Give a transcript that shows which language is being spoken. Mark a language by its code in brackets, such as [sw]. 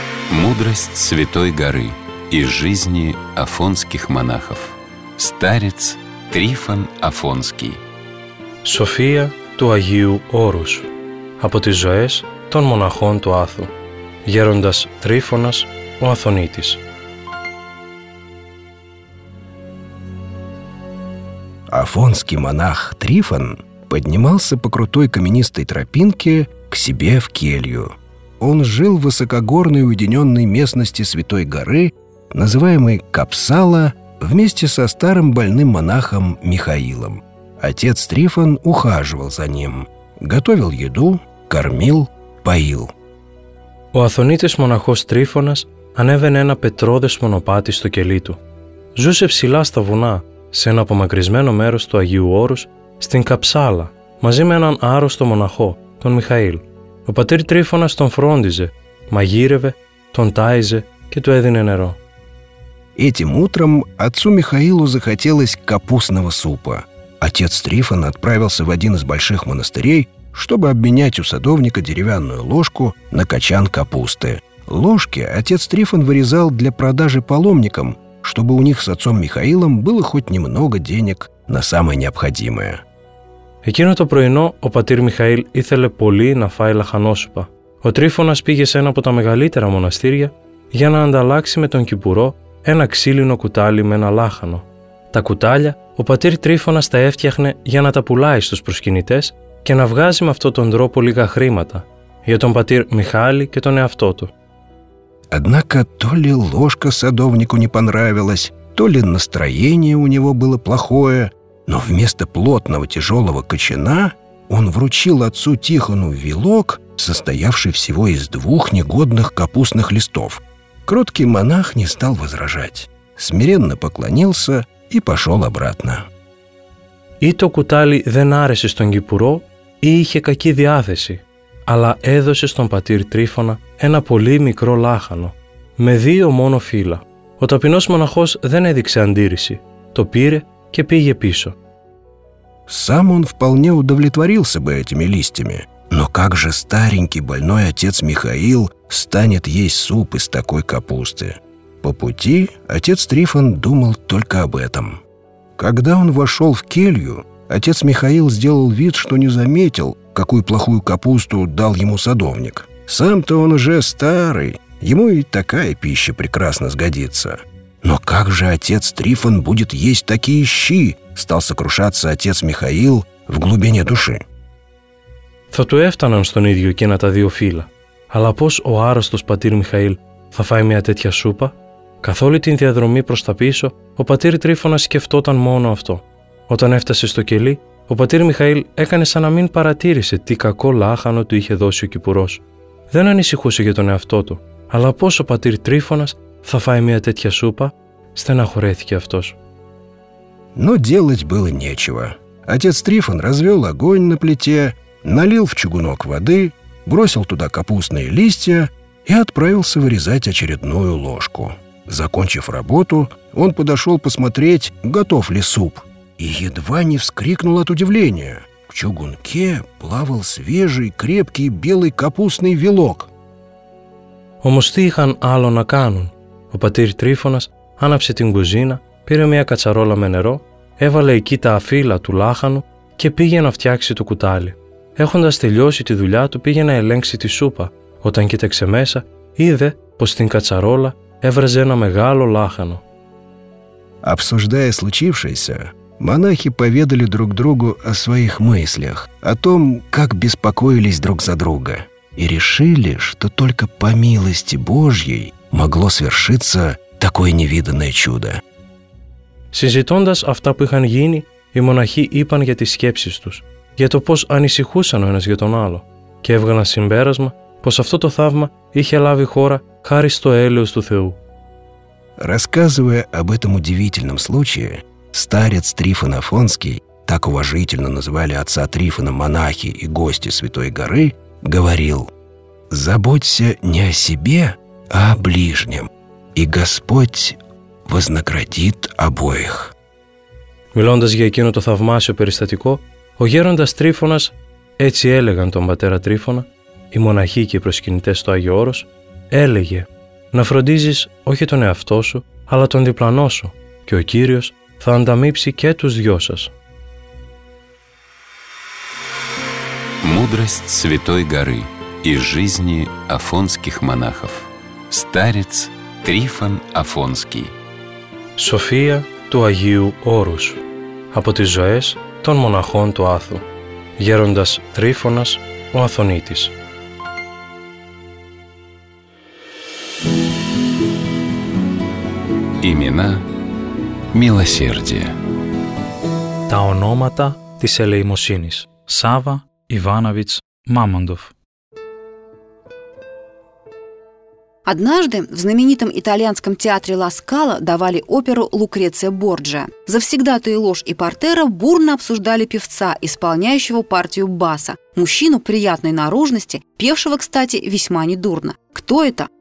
[ru] Мудрость Святой Горы из жизни афонских монахов. Старец Трифон Афонский. [el] София του Αγίου Όρους. Από τις ζωές των μοναχών του Άθου, γέροντας Τρίφωνας ο Αθωνίτης. [ru] Афонский монах Трифон поднимался по крутой каменистой тропинке к себе в келью. Он жил в высокогорной уединенной местности Святой Горы, называемой Капсала, вместе со старым больным монахом Михаилом. Отец Трифон ухаживал за ним, готовил еду, кормил, поил. [el] Ο Αθωνίτης μοναχός Τρίφωνας ανέβαινε ένα πετρώδες μονοπάτι στο κελί του. Ζούσε ψηλά στα βουνά, σε ένα απομακρυσμένο μέρος του Αγίου Όρους, στην Καψάλα, μαζί με έναν άρρωστο μοναχό, τον Μιχαήλ. Ο πατήρ Τρίφωνας τον φρόντιζε, μαγείρευε, τον τάιζε και του έδινε νερό. [ru] Этим утром отцу Михаилу захотелось капустного супа. Отец Трифон отправился в один из больших монастырей, чтобы обменять у садовника деревянную ложку на кочан капусты. Ложки отец Трифон вырезал для продажи паломникам, чтобы у них с отцом Михаилом было хоть немного денег на самое необходимое. [el] Εκείνο το πρωινό ο πατήρ Михаил ήθελε πολύ να φάει λαχανόσουπα. Ο Τρίφωνας πήγε σε ένα από τα μεγαλύτερα μοναστήρια για να ανταλλάξει με τον κυπουρό ένα ξύλινο κουτάλι με ένα λάχανο. Τα κουτάλια ο πατήρ Τρίφωνας τα έφτιαχνε για να τα πουλάει στους προσκυνητές και να βγάζει με αυτόν τον τρόπο λίγα χρήματα για τον πατήρ Μιχάλη και τον εαυτό του. [ru] Однако то ли ложка садовнику не понравилась, то ли настроение у него было плохое, Но вместо плотного тяжелого кочана он вручил отцу Тихону вилок, состоявший всего из двух негодных капустных листов. Кроткий монах не стал возражать, смиренно поклонился и пошел обратно. [el] И то кутали δεν άρεσε στον Κυπουρό ή είχε κακή διάθεση, αλλά έδωσε στον πατήρ Τρίφωνα ένα πολύ μικρό λάχανο, με δύο μόνο φύλλα. Ο ταπεινός μοναχός δεν έδειξε αντίρρηση, το πήρε και πήγε πίσω. [ru] Сам он вполне удовлетворился бы этими листьями, но как же старенький больной отец Михаил станет есть суп из такой капусты? По пути отец Трифон думал только об этом. Когда он вошел в келью, отец Михаил сделал вид, что не заметил, какую плохую капусту дал ему садовник. Сам-то он уже старый, ему и такая пища прекрасно сгодится. Но как же отец Трифон будет есть такие щи? Стал сокрушаться отец Михаил в глубине души. [el] Θα του έφταναν στον ίδιο και να τα δύο φύλλα. Αλλά πώς ο άρρωστος πατήρ Μιχαήλ θα φάει μια τέτοια σούπα? Καθ' όλη την διαδρομή προς τα πίσω, ο πατήρ Τρίφωνας σκεφτόταν μόνο αυτό. Όταν έφτασε στο κελί, ο πατήρ Μιχαήλ έκανε σαν να μην παρατήρησε τι κακό λάχανο του είχε δώσει ο Κυπουρός. Δεν ανησυχούσε για τον εαυτό του, αλλά πώς ο πατήρ Τρίφωνας θα φάει μια τέτοια σούπα, στεναχωρέθηκε αυτός. [ru] Но делать было нечего. Отец Трифон развел огонь на плите, налил в чугунок воды, бросил туда капустные листья и отправился вырезать очередную ложку. Закончив работу, он подошел посмотреть, готов ли суп, и едва не вскрикнул от удивления. В чугунке плавал свежий, крепкий, белый капустный вилок. [el] Όμως τι είχαν άλλο να κάνουν. Ο πατήρ Τρίφωνας άναψε την κουζίνα, πήρε μια κατσαρόλα με νερό, έβαλε εκεί τα αφύλα του λάχανου και πήγε να φτιάξει το κουτάλι. Έχοντας τελειώσει τη δουλειά του, πήγε να ελέγξει τη σούπα. Όταν κοίταξε μέσα, είδε πως στην κατσαρόλα έβραζε ένα μεγάλο λάχανο. [ru] Обсуждая случившееся, монахи поведали друг другу о своих мыслях, о том, как беспокоились друг за друга, и решили, что только по милости Божьей могло свершиться такое невиданное чудо. [el] Συζητώντας αυτά που είχαν γίνει, οι μοναχοί είπαν για τις σκέψεις τους, για το πώς ανησυχούσαν ο ένας για τον άλλο και έβγαλαν συμπέρασμα πως αυτό το θαύμα είχε λάβει χώρα χάρη στο έλεος του Θεού. [ru] Рассказывая об этом удивительном случае, старец Трифон Афонский, так уважительно называли отца Трифона монахи и гости Святой Горы, говорил: «Заботься не о себе, а о ближнем, и Господь вознаградит обоих». [el] Μιλώντας για εκείνο το θαυμάσιο περιστατικό, ο γέροντας Τρίφωνας, έτσι έλεγαν τον πατέρα Τρίφωνα, οι μοναχοί και οι προσκυνητές στο Άγιο Όρος, έλεγε «Να φροντίζεις όχι τον εαυτό σου, αλλά τον διπλανό σου και ο Κύριος θα ανταμείψει και τους δυο σας». [ru] Μούδραστ Святой Горы и жизни афонских монахов. Старец Трифон Афонский. [el] Σοφία του Αγίου Όρους από τις ζωές των μοναχών του Άθου, γέροντας Τρίφωνας ο Αθωνίτης. [ru] Имена милосердия. [el] Τα ονόματα της ελεημοσύνης. Σάβα Ιβάναβιτς Μάμοντοφ. [ru] Однажды в знаменитом итальянском театре «Ла Скала» давали оперу «Лукреция Борджиа». Завсегдатые ложь и партера бурно обсуждали певца, исполняющего партию баса, мужчину приятной наружности, певшего, кстати, весьма недурно. «Кто это?